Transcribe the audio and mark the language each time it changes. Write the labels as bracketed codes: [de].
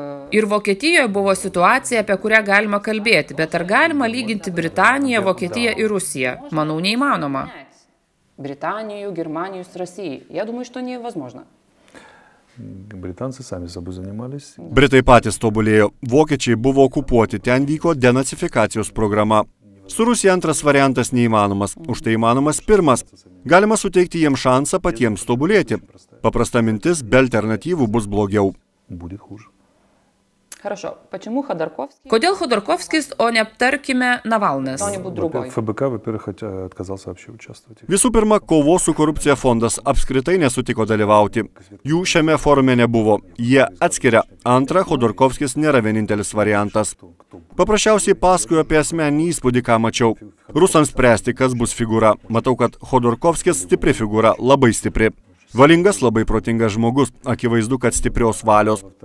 [lt] Ir Vokietijoje buvo situacija, apie kurią galima kalbėti. Bet ar galima lyginti Britaniją, Vokietiją ir Rusiją? Manau, neįmanoma. Britanijų, Germanijų, Rusijų. [ru] Я думаю, что невозможно. Британцы сами собой занимались. [lt] Britai patys tobulėjo. Vokiečiai buvo okupuoti, ten vyko denacifikacijos programa. Su Rusija antras variantas neįmanomas, už tai įmanomas pirmas. Galima suteikti jiems šansą patiems tobulėti. Paprasta mintis, be alternatyvų bus blogiau. Kodėl Chodorkovskis, o ne, tarkime, Navalnas? [ru] ФБК, во-первых, отказался вообще участвовать. [lt] Visų pirma, kovos su korupcija fondas apskritai nesutiko dalyvauti. Jų šiame forume nebuvo. Jie atskiria. Antra, Chodorkovskis nėra vienintelis variantas. Paprasčiausiai paskui apie asmenį įspūdį, ką mačiau. Rusams spręsti, kas bus figūra. Matau, kad Chodorkovskis stipri figūra, labai stipri. Valingas, labai protingas žmogus, akivaizdu, kad stiprios valios.